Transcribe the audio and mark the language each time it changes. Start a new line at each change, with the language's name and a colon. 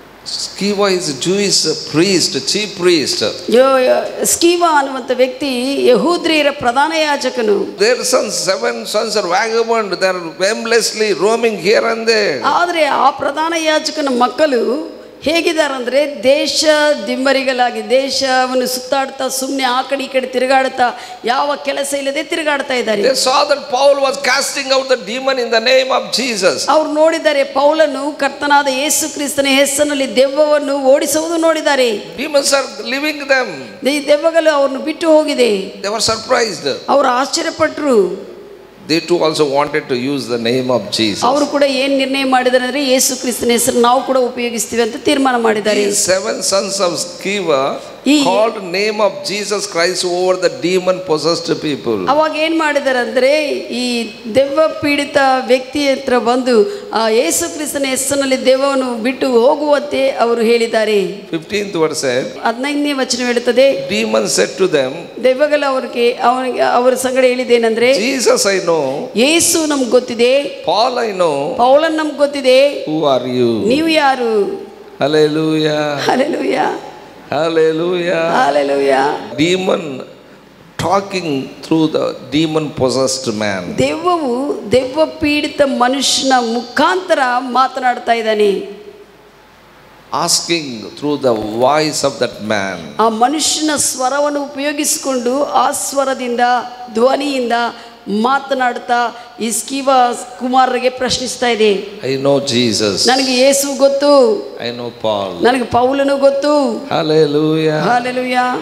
English: Sceva is a Jewish priest, chief priest.
Kannada: Sceva anuvanta vyakti yahudriyara pradhana yajakanu.
English: Their sons, 7 sons are vagabond. They are aimlessly roaming here and there.
Kannada: Adre aa pradhana yajakana makkalu ಹೇಗಿದ್ದಾರಂದ್ರೆ ದೇಶ ದಿಂಬರಿಗಳಾಗಿ ದೇಶವನ್ನು ಸುತ್ತಾಡ್ತಾ ಸುಮ್ಮನೆ ಆ ಕಡೆ ಈ ಕಡೆ ತಿರುಗಾಡ್ತಾ ಯಾವ ಕೆಲಸ ಇಲ್ಲದೆ ತಿರುಗಾಡ್ತಾ ಇದ್ದಾರೆ.
English: They saw that Paul was casting out the demon in the name of Jesus.
Kannada: ಅವರು ನೋಡಿದ್ದಾರೆ ಪೌಲನ್ನು ಕರ್ತನಾದ ಯೇಸು ಕ್ರಿಸ್ತನ ಹೆಸರಿನಲ್ಲಿ ದೆವ್ವವನ್ನು ಓಡಿಸುವುದು ನೋಡಿದ್ದಾರೆ.
English: Demons are leaving them.
Kannada: ಈ ದೆವ್ವಗಳು ಅವರನ್ನು ಬಿಟ್ಟು ಹೋಗಿದೆ.
English: They were surprised.
Kannada: ಅವರು ಆಶ್ಚರ್ಯಪಟ್ಟರು.
English: They too also wanted to use the name of Jesus.
Kannada: ಅವರು ಕೂಡ ಏನು ನಿರ್ಣಯ ಮಾಡಿದರಂದ್ರೆ ಯೇಸು ಕ್ರಿಸ್ತನ ಹೆಸರು ನಾವು ಕೂಡ ಉಪಯೋಗಿಸ್ತೀವಿ ಅಂತ ತೀರ್ಮಾನ ಮಾಡಿದ್ದಾರೆ.
English: Seven sons of Sceva called name of Jesus Christ over the demon possessed people.
Kannada: ಅವಾಗ ಏನು ಮಾಡಿದರು ಅಂದ್ರೆ ಈ ದೆವ್ವ ಪೀಡಿತ ವ್ಯಕ್ತಿ ಹತ್ರ ಬಂದು ಆ ಯೇಸು ಕ್ರಿಸ್ತನ ಹೆಸರಿನಲ್ಲಿ ದೆವ್ವವನ್ನು ಬಿಟ್ಟು ಹೋಗುವಂತೆ ಅವರು ಹೇಳಿದ್ದಾರೆ.
English: 15th verse
Kannada: 15ನೇ ವಚನ ಹೇಳುತ್ತದೆ.
English: Demon said to them,
Kannada: ದೆವ್ವಗಳು ಅವರಿಗೆ ಅವರ ಸಂಗಡ ಹೇಳಿದ ಏನಂದ್ರೆ,
English: Jesus I know,
Kannada: ಯೇಸು ನಮ್ಗೆ ಗೊತ್ತಿದೆ,
English: Paul I know,
Kannada: ಪೌಲನ್ ನಮ್ಗೆ ಗೊತ್ತಿದೆ,
English: who are you,
Kannada: ನೀವು ಯಾರು? Hallelujah, hallelujah, hallelujah, hallelujah.
English: Demon talking through the demon possessed man.
Kannada: ದೆವ್ವವು ದೆವ್ವ ಪೀಡಿತ ಮನುಷ್ಯನ ಮುಖಾಂತರ ಮಾತನಾಡ್ತಾ ಇದ್ದಾನೆ.
English: Asking through the voice of that man.
Kannada: ಆ ಮನುಷ್ಯನ ಸ್ವರವನ್ನು ಉಪಯೋಗಿಸಿಕೊಂಡು ಆ ಸ್ವರದಿಂದ ಧ್ವನಿಯಿಂದ ಮಾತನಾಡ್ತಾ ಇಸ್ಕಿವ ಕುಮಾರರಿಗೆ ಪ್ರಶ್ನಿಸ್ತಾ ಇದೆ.
English: I know Jesus,
Kannada: ನನಗೆ ಯೇಸು ಗೊತ್ತು.
English: I know Paul,
Kannada: ನನಗೆ ಪೌಲನು ಗೊತ್ತು. Hallelujah, hallelujah.